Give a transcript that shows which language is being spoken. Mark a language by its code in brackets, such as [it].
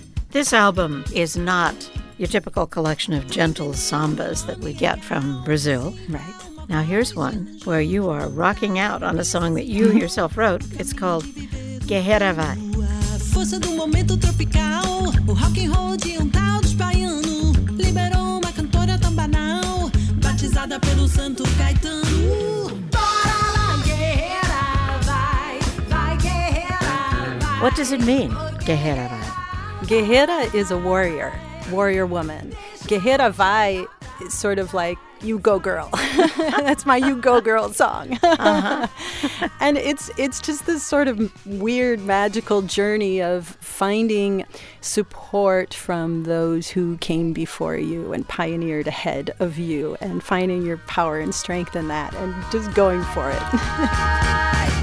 [en] This album is not your typical collection of gentle sambas that we get from Brazil. Right. Now here's one where you are rocking out on a song that you yourself wrote. It's called Guerreira Vai. [pt] Força do momento tropical, o rock and roll de tal dos baiano, liberou uma cantora tão banal, batizada pelo Santo Caetano. Bora lá, guerreira vai, vai guerreira vai. [en] What does it mean, Guerreira Vai? Guerreira is a warrior woman. Guerreira Vai is sort of like, you go girl. That's my you go girl song. Uh-huh. And it's just this sort of weird, magical journey of finding support from those who came before you and pioneered ahead of you and finding your power and strength in that and just going for it.